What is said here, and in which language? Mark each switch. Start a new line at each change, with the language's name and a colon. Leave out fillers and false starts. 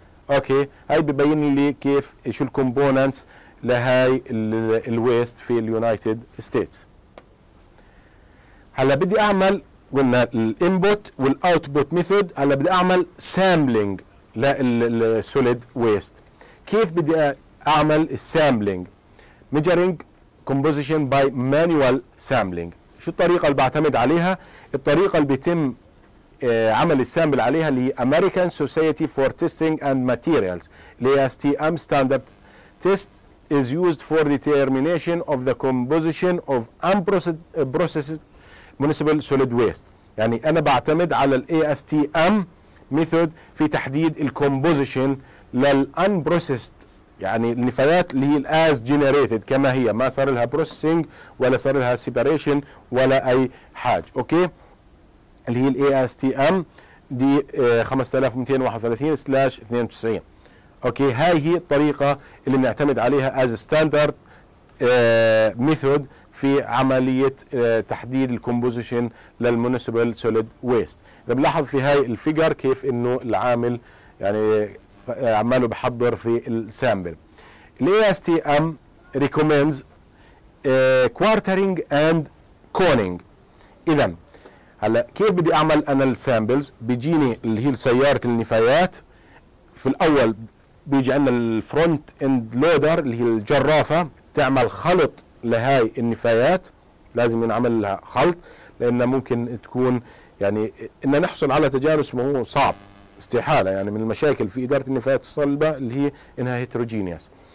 Arabic: اوكي، هاي ببين لي كيف شو الكومبوننتس لهاي الويست في اليونايتد ستيتس. هلا بدي اعمل قلنا الانبوت والاوتبوت ميثود، هلا بدي اعمل سامبلينج للسوليد ويست. كيف بدي اعمل السامبلينج؟
English: Measuring composition by manual sampling.
Arabic: شو الطريقة اللي بعتمد عليها؟ الطريقة اللي بيتم عمل السامبل عليها اللي هي
English: American Society for Testing and Materials ASTM standard test is used for determination of the composition of unprocessed municipal solid waste.
Arabic: يعني أنا بعتمد على الـ ASTM method في تحديد الـ composition للـ unprocessed يعني النفايات اللي هي
English: الاز جينيريتد
Arabic: كما هي، ما صار لها بروسيسنج ولا صار لها سيباريشن ولا اي حاجه. اوكي، اللي هي الاي اس تي ام دي 5231/92. اوكي، هاي هي الطريقه اللي بنعتمد عليها
English: as standard method
Arabic: في عمليه تحديد الكومبوزيشن للمونسيبال سوليد ويست. اذا بنلاحظ في هاي الفيجر كيف انه العامل يعني عماله بحضر في السامبل.
English: ASTM recommends quartering and coning.
Arabic: إذن هلا كيف بدي أعمل أنا السامبلز؟ بيجيني اللي هي السيارة النفايات. في الأول بيجي عندنا الفرونت إند لودر اللي هي الجرافة تعمل خلط لهاي النفايات. لازم ينعمل لها خلط لأن ممكن تكون يعني إن نحصل على تجانس ما هو صعب استحالة يعني من المشاكل في إدارة النفايات الصلبة اللي هي إنها هيتروجينياس.